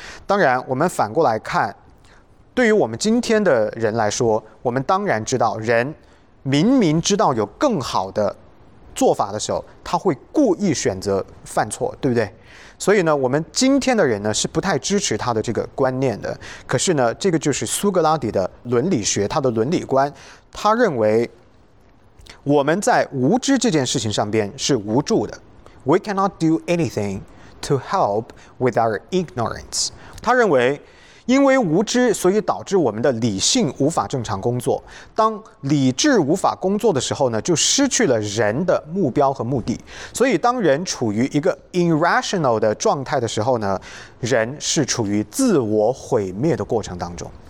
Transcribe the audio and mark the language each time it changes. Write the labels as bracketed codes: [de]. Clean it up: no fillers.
[zh] 当然我们反过来看，对于我们今天的人来说，我们当然知道人明明知道有更好的做法的时候，他会故意选择犯错，对不对？所以呢，我们今天的人呢是不太支持他的这个观念的。可是呢，这个就是苏格拉底的伦理学，他的伦理观，他认为我们在无知这件事情上边是无助的。 [en] We cannot do anything to help with our ignorance. [zh] 他认为因为无知，所以导致我们的理性无法正常工作。当理智无法工作的时候呢，就失去了人的目标和目的。所以当人处于一个 irrational 的状态的时候呢，人是处于自我毁灭的过程当中。